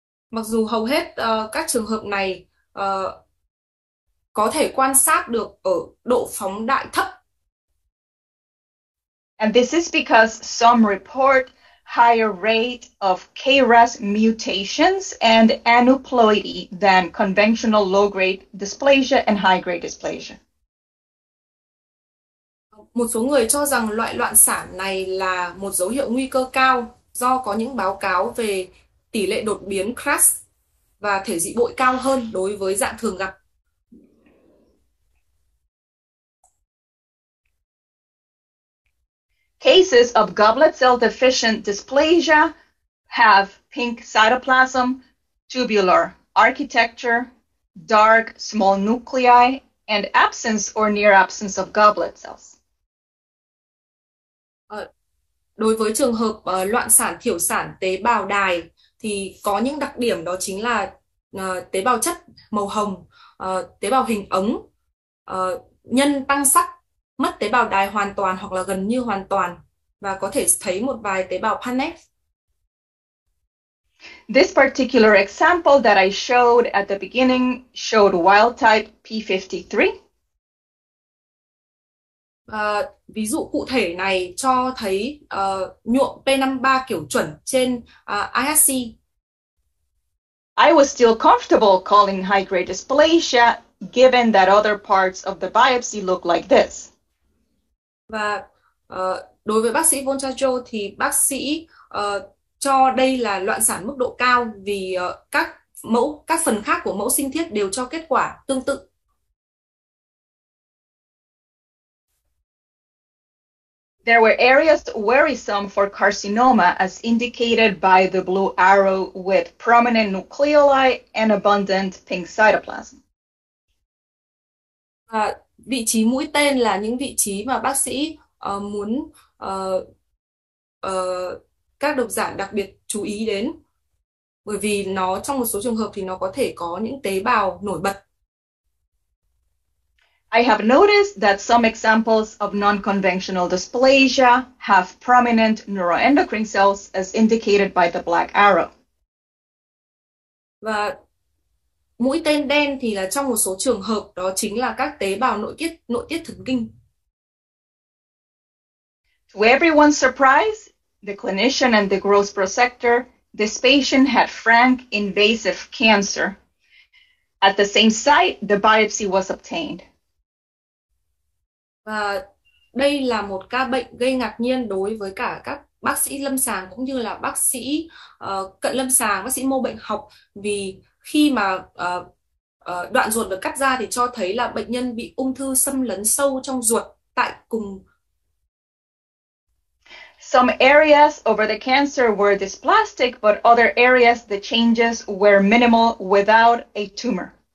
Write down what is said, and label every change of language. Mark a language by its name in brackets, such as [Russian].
[Vietnamese] Mặc dù hầu hết các trường hợp này có thể quan sát được ở độ phóng đại thấp. [English] And this is because some report higher rate of KRAS mutations and aneuploidy than conventional low-grade dysplasia and high-grade dysplasia. [Vietnamese] Một số người cho rằng loại loạn sản này là một dấu hiệu nguy cơ cao do có những báo cáo về tỷ lệ đột biến CRAS. và thể dị bội cao hơn đối với dạng thường gặp. [English] Cases of goblet cell deficient dysplasia have pink cytoplasm, tubular architecture, dark small nuclei, and absence or near absence of goblet cells. [Vietnamese] Đối với trường hợp loạn sản thiểu sản tế bào đài thì có những đặc điểm đó chính là tế bào chất màu hồng, tế bào hình ống, nhân tăng sắc, mất tế bào đài hoàn toàn hoặc là gần như hoàn toàn và có thể thấy một vài tế bào Paneth. [English] This particular example that I showed at the beginning showed wild type P53. [Vietnamese] Ví dụ cụ thể này cho thấy nhuộm P53 kiểu chuẩn trên ISC. [English] I was still comfortable calling high-grade dysplasia given that other parts of the biopsy look like this. [Vietnamese] Và đối với bác sĩ Vonchajo thì bác sĩ cho đây là loạn sản mức độ cao vì các phần khác của mẫu sinh thiết đều cho kết quả tương tự. [English] There were areas worrisome for carcinoma as indicated by the blue arrow with prominent nucleoli and abundant pink cytoplasm. [Vietnamese] Vị trí mũi tên là những vị trí mà bác sĩ muốn các độc giả đặc biệt chú ý đến bởi vì nó trong một số trường hợp thì nó có thể có những tế bào nổi bật. [English] I have noticed that some examples of non-conventional dysplasia have prominent neuroendocrine cells as indicated by the black arrow. [Vietnamese] Và mũi tên đen thì là trong một số trường hợp đó chính là các tế bào nội tiết thần kinh. [English] To everyone's surprise, the clinician and the Gross prosector, this patient had frank invasive cancer. At the same site, the biopsy was obtained. [Vietnamese] Và đây là một ca bệnh gây ngạc nhiên đối với cả các bác sĩ lâm sàng cũng như là bác sĩ cận lâm sàng, bác sĩ mô bệnh học vì khi mà đoạn ruột được cắt ra thì cho thấy là bệnh nhân bị ung thư xâm lấn sâu trong ruột tại cùng. [English] Some areas over the cancer were dysplastic, but other areas the changes were minimal without a tumor.